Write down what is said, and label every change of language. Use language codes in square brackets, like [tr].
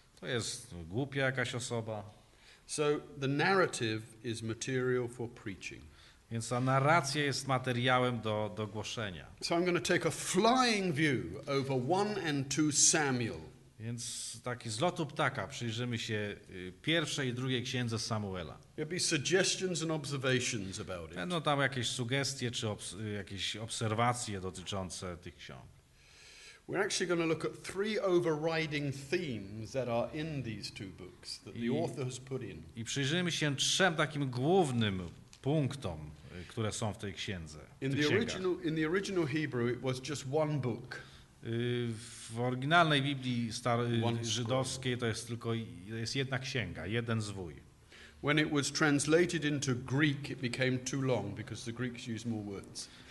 [pl] To jest głupia jakaś osoba. [en] So the narrative is material for preaching. [pl] Więc ta narracja jest materiałem do głoszenia. [en] So I'm going to take a flying view over 1 and 2 Samuel. [pl] Więc taki z lotu ptaka przyjrzymy się pierwszej i drugiej księdze Samuela. [en] There'll be suggestions and observations about it. [pl] Będą tam jakieś sugestie czy jakieś obserwacje dotyczące tych ksiąg. [en] We're actually going to look at three overriding themes that are in these two books that the author has put in. [pl] I przyjrzymy się trzem takim głównym punktom, które są w tej księdze. [en] In the original Hebrew it was just one book. [pl] W oryginalnej Biblii żydowskiej to jest jedna księga, jeden zwój. [en] When it was translated into Greek it became too long because the Greeks used more words.